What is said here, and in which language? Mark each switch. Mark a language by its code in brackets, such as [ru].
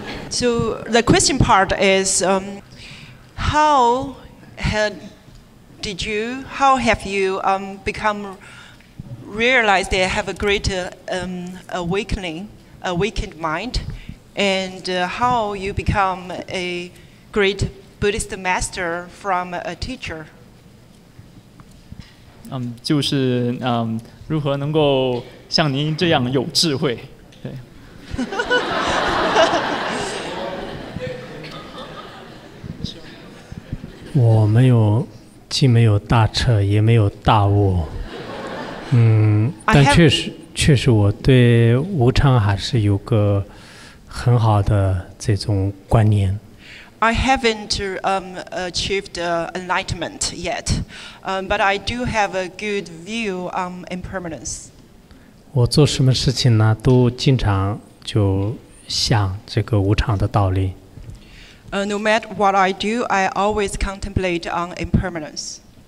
[en] So the question part is, how have you become realized that you have a greater awakened mind, and how you become a great Buddhist master from a teacher? [zh] 就是如何能够像您这样有智慧？对。我没有，既没有大彻，也没有大悟。但确实我对无常还是有个很好的这种观念。 [en] I haven't achieved enlightenment yet, but I do have a good view on impermanence. [zh] 我做什么事情呢，都经常就想这个无常的道理。 [en] No matter what I do, I always contemplate on impermanence.